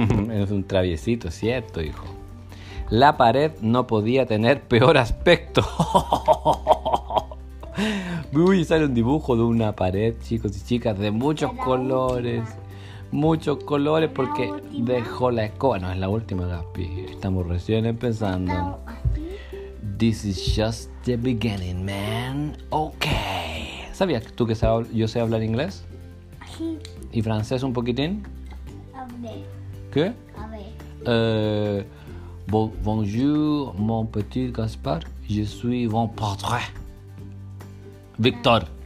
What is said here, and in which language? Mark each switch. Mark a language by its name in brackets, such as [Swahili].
[Spanish] Eres un traviesito, cierto, hijo. La pared no podía tener peor aspecto. Uy, sale un dibujo de una pared, chicos y chicas, de muchos colores. Última. Muchos colores, porque dejó la escoba. No, es la última, Gaspi. Estamos recién empezando. [English] This is just the beginning, man. [Spanish] Ok. ¿Sabías tú que yo sé hablar inglés? Sí. ¿Y francés un poquitín? Hablé. ¿Qué? Hablé. [French] Bonjour, mon petit Gaspar. Je suis mon portrait. Víctor.